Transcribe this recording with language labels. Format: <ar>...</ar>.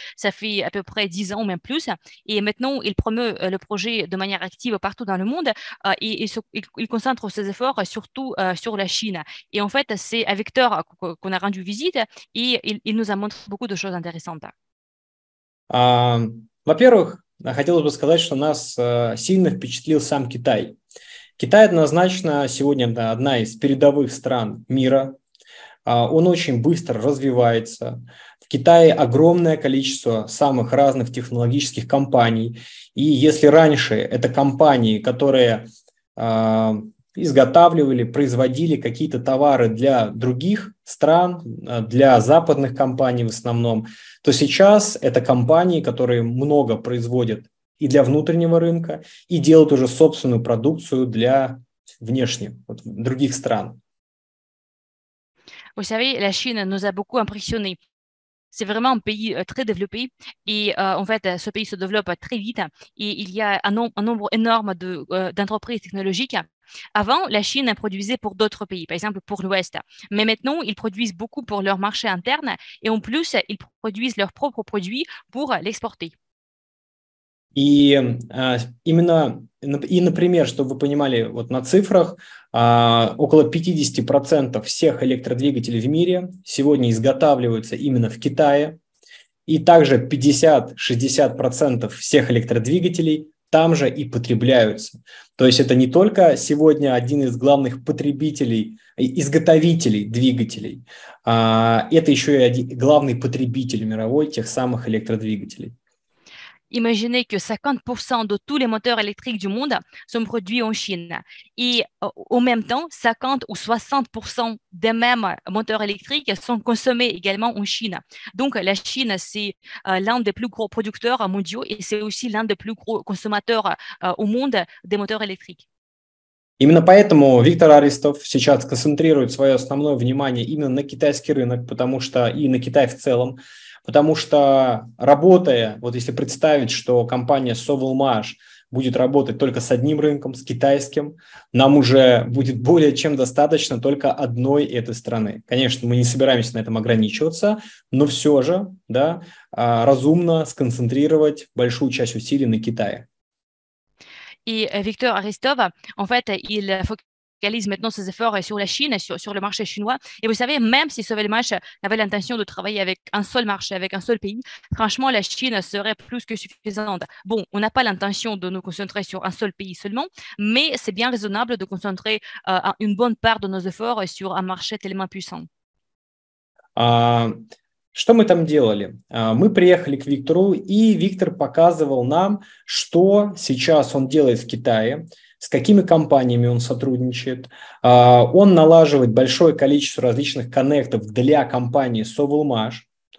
<fr>Ça fait à peu près 10 ans ou même plus. Et maintenant, il promeut le projet de manière active partout dans le monde et il concentre ses efforts surtout sur la Chine. Et en fait, c'est à Victor qu'on a rendu visite et il nous a montré beaucoup de choses intéressantes.</fr> <ru>Во-первых, хотелось бы сказать, что нас сильно впечатлил сам Китай. Китай однозначно сегодня одна из передовых стран мира. Он очень быстро развивается. В Китае огромное количество самых разных технологических компаний. И если раньше это компании, которые изготавливали, производили какие-то товары для других стран, для западных компаний в основном, то сейчас это компании, которые много производят и для внутреннего рынка, и делают уже собственную продукцию для внешних, других стран.</ru> <fr>Vous savez, la Chine nous a beaucoup impressionnés. C'est vraiment un pays très développé et en fait, ce pays se développe très vite et il y a un nombre énorme d'entreprises technologiques. Avant, la Chine produisait pour d'autres pays, par exemple pour l'Ouest. Mais maintenant, ils produisent beaucoup pour leur marché interne et en plus, ils produisent leurs propres produits pour l'exporter.</fr> <ru>И, например, чтобы вы понимали, вот на цифрах, около 50% всех электродвигателей в мире сегодня изготавливаются именно в Китае, и также 50-60% всех электродвигателей там же и потребляются. То есть это не только сегодня один из главных потребителей, изготовителей двигателей, это еще и один, главный потребитель мировой тех самых электродвигателей.</ru> <fr>Imaginez que 50% de tous les moteurs électriques du monde sont produits en Chine. Et en même temps, 50 ou 60% des mêmes moteurs électriques sont consommés également en Chine. Donc, la Chine, c'est l'un des plus gros producteurs mondiaux et c'est aussi l'un des plus gros consommateurs au monde des moteurs électriques.</fr> <ru>Именно поэтому Виктор Арестов сейчас концентрирует свое основное внимание именно на китайский рынок, потому что и на Китай в целом, потому что работая, вот если представить, что компания Sovelmash будет работать только с одним рынком, с китайским, нам уже будет более чем достаточно только одной этой страны. Конечно, мы не собираемся на этом ограничиваться, но все же, да, разумно сконцентрировать большую часть усилий на Китае.</ru> <fr>Et Victor Aristov, en fait, il focalise maintenant ses efforts sur la Chine, sur le marché chinois. Et vous savez, même si Sovelmash avait l'intention de travailler avec un seul marché, avec un seul pays, franchement, la Chine serait plus que suffisante. Bon, on n'a pas l'intention de nous concentrer sur un seul pays seulement, mais c'est bien raisonnable de concentrer une bonne part de nos efforts sur un marché tellement puissant.</fr> <ru>Что мы там делали? Мы приехали к Виктору, и Виктор показывал нам, что сейчас он делает в Китае, с какими компаниями он сотрудничает. Он налаживает большое количество различных коннектов для компании Sovelmash, то</ru>